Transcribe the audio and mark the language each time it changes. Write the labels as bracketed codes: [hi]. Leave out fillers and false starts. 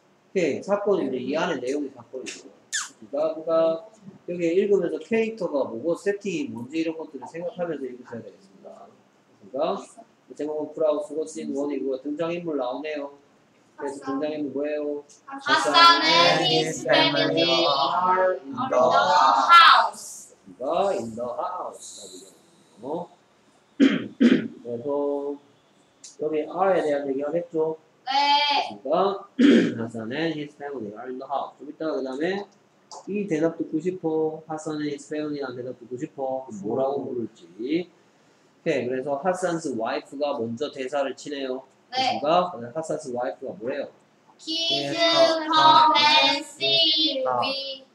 [ko] 오케이, 사건은 이제 이 안에 내용이 사건이죠. 그러니까 여기 읽으면서 캐릭터가 뭐고 세팅이 뭔지 이런 것들을 생각하면서 읽으셔야 되겠습니다. 그러니까 제목은 프라우스고 씬 원이고 등장인물 나오네요. 그래서 등장인물 뭐예요? [en] 하산 and his family are in the house. 그러니까 in the house. [ko] 그래서 여기 R에 대한 얘기를 했죠? 네. [en] 그러니까 하산 and his family are in the house. [ko] 좀 이따가 그 다음에 이 대답 듣고 싶어. 하산의 스페인이라는 대답 듣고 싶어. 뭐라고 부를지. 오케이, 그래서 하산스 와이프가 먼저 대사를 치네요. 네. 하산스 와이프가 뭐예요? [en] Kids come and sit with